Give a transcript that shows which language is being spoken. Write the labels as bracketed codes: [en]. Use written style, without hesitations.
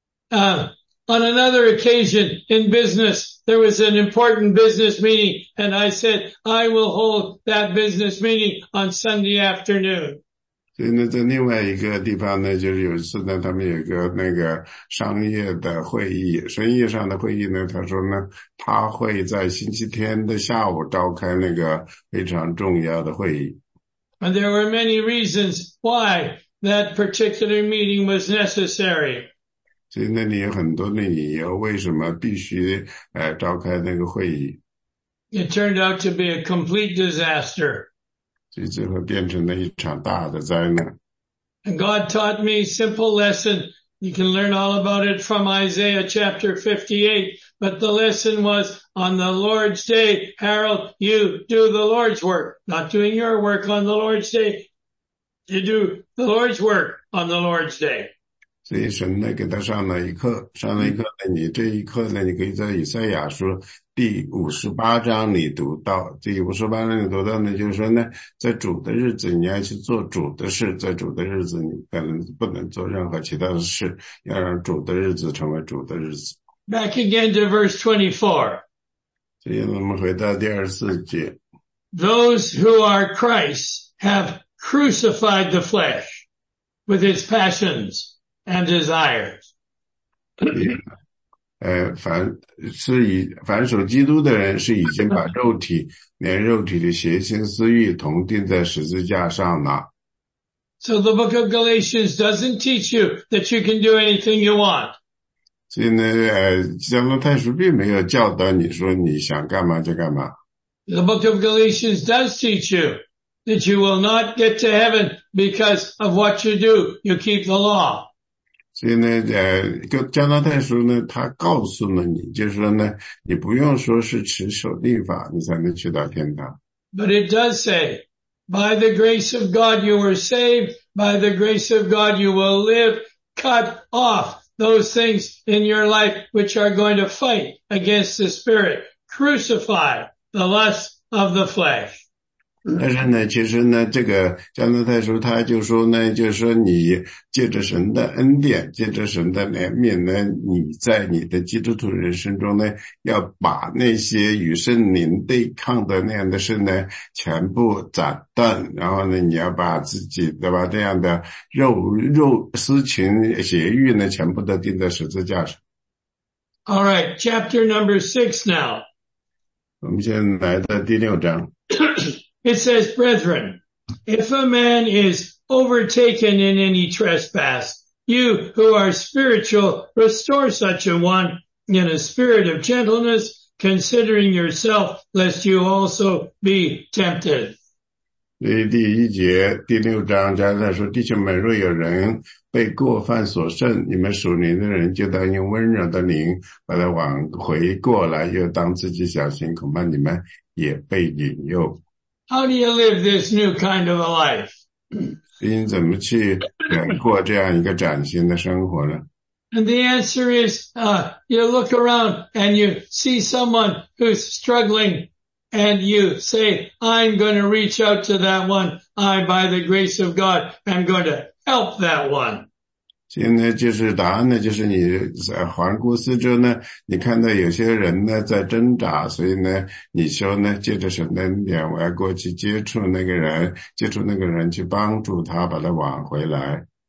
[en] On another occasion in business, there was an important business meeting, and I said, I will hold that business meeting on Sunday afternoon. [zh] 所以呢，在另外一个地方呢，就是有一次呢，他们有个那个商业的会议，生意上的会议呢，他说呢，他会在星期天的下午召开那个非常重要的会议。 [en] And there were many reasons why that particular meeting was necessary. [zh] 所以那里有很多的理由为什么必须召开那个会议。 [en] It turned out to be a complete disaster. [zh] 所以最后变成了一场大的灾难。 [en] And God taught me a simple lesson. You can learn all about it from Isaiah chapter 58. But the lesson was, on the Lord's day, Harold, you do the Lord's work. Not doing your work on the Lord's day. You do the Lord's work on the Lord's day. [zh] 所以神呢给他上了一课，上了一课呢，你这一课呢，你可以在以赛亚书第58章里读到。第58章里读到呢，就是说呢，在主的日子你要去做主的事，在主的日子你不能做任何其他的事，要让主的日子成为主的日子。 [en] Back again to verse 24. [zh] 今天我们回到第24节。 [en] Those who are Christ have crucified the flesh with its passions and desires. [zh] 凡属基督的人是已经把肉体连肉体的邪心私欲同钉在十字架上了。 [en] So the book of Galatians doesn't teach you that you can do anything you want. [zh] 所以呢，加拉太书并没有教导你说你想干嘛就干嘛。 [en] The book of Galatians does teach you that you will not get to heaven because of what you do. You keep the law. [zh] 所以呢，加拉太书呢，他告诉了你，就是说呢，你不用说是持守律法，你才能去到天堂。 [en] But it does say, by the grace of God you were saved, by the grace of God you will live, cut off. Those things in your life which are going to fight against the spirit. Crucify the lust of the flesh. [zh] 但是呢其实呢这个加拉太书他就说呢就是说你借着神的恩典借着神的怜悯呢你在你的基督徒人生中呢要把那些与圣灵对抗的那样的事呢全部斩断然后呢你要把自己对吧这样的肉私情邪欲呢全部都钉在十字架上。 [en] All right, chapter number 6 now. [zh] 我们现在来到第六章。 [en] It says, brethren, if a man is overtaken in any trespass, you who are spiritual, restore such a one in a spirit of gentleness, considering yourself, lest you also be tempted. [zh] 第一节第六章加拉太说弟兄们若有人被过犯所胜你们属灵的人就当用温柔的灵把他挽回过来又当自己小心恐怕你们也被引诱。 [en] How do you live this new kind of a life? [zh] 你怎么去忍过这样一个崭新的生活呢? [en] And the answer is, you look around and you see someone who's struggling and you say, I'm going to reach out to that one. I, by the grace of God, am going to help that one. [zh] 现在就是答案呢就是你在环顾四周呢你看到有些人呢在挣扎所以呢你说呢借着神的恩典我要过去接触那个人接触那个人去帮助他把他挽回来。